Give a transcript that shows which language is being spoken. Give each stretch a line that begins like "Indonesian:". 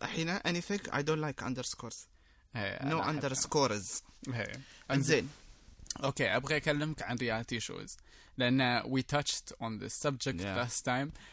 English: الحين anything I don't like underscores. No underscores. انزين.
Arabic: اوكي ابغى اكلمك عن رياليتي شوز.
English: لان we touched on this subject last time.